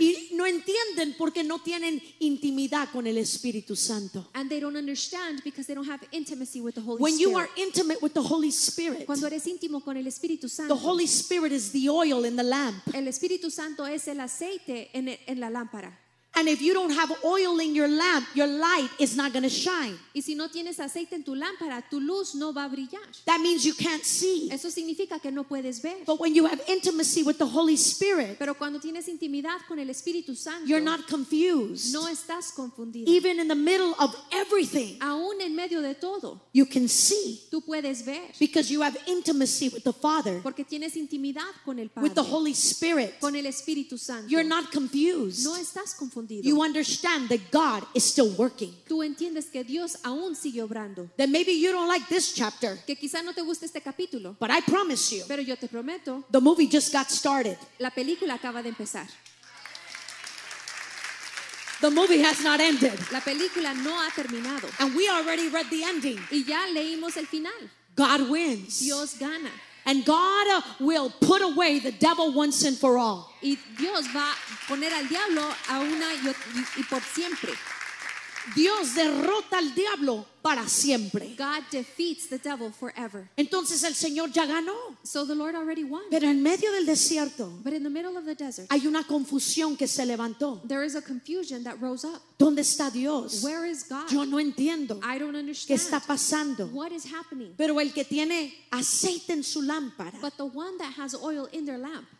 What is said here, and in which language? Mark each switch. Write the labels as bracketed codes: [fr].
[es] Y no entienden porque no tienen intimidad con el Espíritu Santo. [en] And they don't understand because they don't have intimacy with the Holy When Spirit. You are intimate with the Holy Spirit. [es] Cuando eres íntimo con el Espíritu Santo. [en] The Holy Spirit is the oil in the lamp. [es] El Espíritu Santo es el aceite en la lámpara. [en] And if you don't have oil in your lamp, your light is not going to shine. [es] Y si no tienes aceite en tu lámpara, tu luz no va a brillar. [en] That means you can't see. [es] Eso significa que no puedes ver. [en] But when you have intimacy with the Holy Spirit, [es] pero cuando tienes intimidad con el Espíritu Santo, [en] you're not confused. [es] No estás confundido. [en] Even in the middle of everything, [es] aún en medio de todo, [en] you can see. [es] Tú puedes ver. [en] Because you have intimacy with the Father. [es] Porque tienes intimidad con el Padre. [en] With the Holy Spirit. [es] Con el Espíritu Santo. [en] You're not confused. [es] No estás confundido. [en] You understand that God is still working. [es] Tú entiendes que Dios aún sigue obrando. [en] That maybe you don't like this chapter. [es] Que quizá no te guste este capítulo. [en] But I promise you. [es] Pero yo te prometo. [en] The movie just got started. [es] La película acaba de empezar. [en] The movie has not ended. [es] La película no ha terminado. [en] And we already read the ending. [es] Y ya leímos el final. [en] God wins. [es] Dios gana. [en] And God will put away the devil once and for all. [es] Y Dios va a poner al diablo a una y por siempre. Dios derrota al diablo para siempre. [en] God defeats the devil forever. [es] Entonces el Señor ya ganó. [en] So the Lord already won. [es] Pero en medio del desierto, [en] but in the middle of the desert, [es] hay una confusión que se levantó. [en] There is a confusion that rose up. [es] ¿Dónde está Dios? [en] Where is God? [es] Yo no entiendo. [en] I don't understand. [es] ¿Qué está pasando? [en] What is happening? [es] Pero el que tiene aceite en su lámpara, [en] but the one that has oil in their lamp,